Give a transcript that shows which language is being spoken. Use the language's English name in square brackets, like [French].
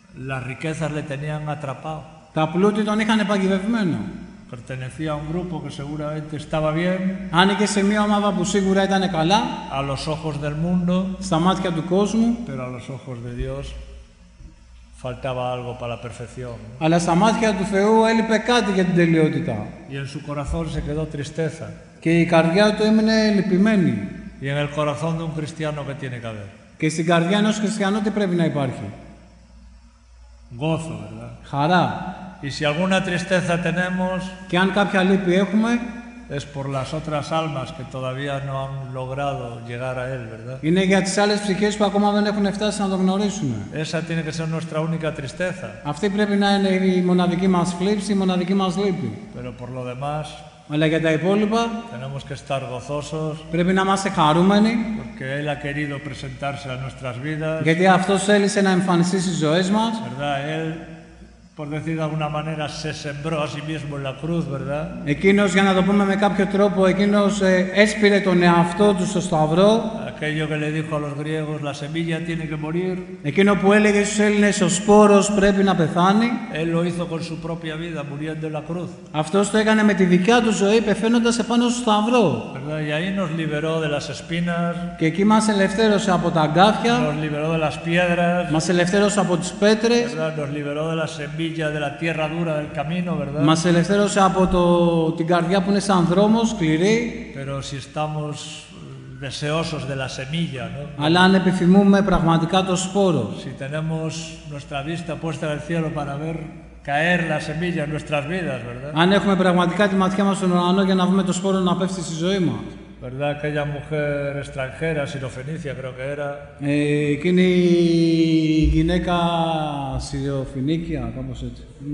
[Spanish] Las riquezas le tenían atrapado. [Greek] Τα πλούτη τον είχαν παγιδευμένο. [Spanish] Pertenecía a un grupo que seguramente estaba bien. [Greek] Άνοιγε σε μια ομάδα που σίγουρα ήταν καλά. [Spanish] A los ojos del mundo. [Greek] Στα μάτια του κόσμου. [Spanish] Pero a los ojos de Dios. Faltaba algo para la perfección. [Greek] Αλλά στα μάτια του Θεού έλειπε κάτι για την τελειότητα. [Spanish] Y en su corazón se quedó tristeza. [Greek] Και η καρδιά του έμεινε λυπημένη. [Spanish] Y en el corazón de un cristiano que tiene que haber. [Greek] Και στην καρδιά ενός χριστιανού τι πρέπει να υπάρχει. [Spanish] Gozo, ¿verdad? [Greek] Χαρά. [Spanish] Y si alguna tristeza tenemos. [Greek] Και αν κάποια λύπη έχουμε. [Spanish] Es por las otras almas que todavía no han logrado llegar a él, ¿verdad? [Greek] Είναι για τις άλλες ψυχές που ακόμα δεν έχουν φτάσει να τον γνωρίσουν. [Spanish] Esa tiene que ser nuestra única tristeza. [Greek] Αυτή πρέπει να είναι η μοναδική μας θλίψη, η μοναδική μας λύπη. [Spanish] Pero por lo demás. [Greek] Αλλά για τα υπόλοιπα. [Spanish] Tenemos que estar gozosos. [Greek] Πρέπει να είμαστε χαρούμενοι. [Spanish] Porque él ha querido presentarse a nuestras vidas. [Greek] Γιατί αυτός θέλησε να εμφανιστεί στις ζωές μας. [Spanish] ¿Verdad? Él, por decir de alguna manera, se sembró a sí mismo en la cruz, ¿verdad? [Greek] Εκείνος, για να το πούμε με κάποιο τρόπο, εκείνος έσπηρε τον εαυτό του στο σταυρό. [Spanish] Aquello que le dijo a los griegos, la semilla tiene que morir. [Greek] Εκείνο που έλεγε στους Έλληνες, ο σπόρος πρέπει να πεθάνει. [Spanish] Él lo hizo con su propia vida, muriendo en la cruz. [Greek] Αυτός το έκανε με τη δικιά του ζωή, πεθαίνοντας επάνω στο σταυρό. [Spanish] ¿Verdad? Y ahí nos liberó de las espinas. [Greek] Και εκεί μας ελευθέρωσε από τα αγκάθια. [Spanish] Nos liberó de las piedras. [Greek] Μας ελευθέρωσε από τις πέτρες. [Spanish] Nos liberó de las semillas. De la tierra dura del camino, ¿verdad? [Greek] Μας ελευθέρωσε από την καρδιά που είναι σαν δρόμο, σκληρή. [Spanish] Pero si estamos deseosos de la semilla, ¿no? [Greek] Αλλά αν επιθυμούμε πραγματικά το σπόρο. [Spanish] Si tenemos nuestra vista puesta en el cielo para ver caer la semilla en nuestras vidas, ¿verdad? [Greek] Αν έχουμε πραγματικά τη ματιά μας στον ουρανό για να δούμε το σπόρο να πέφτει στη ζωή μας. [Spanish] ¿Verdad? Aquella mujer extranjera, Sirofenicia, creo que era. [Greek] Εκείνη η γυναίκα Σιροφινίκια, κάπως έτσι.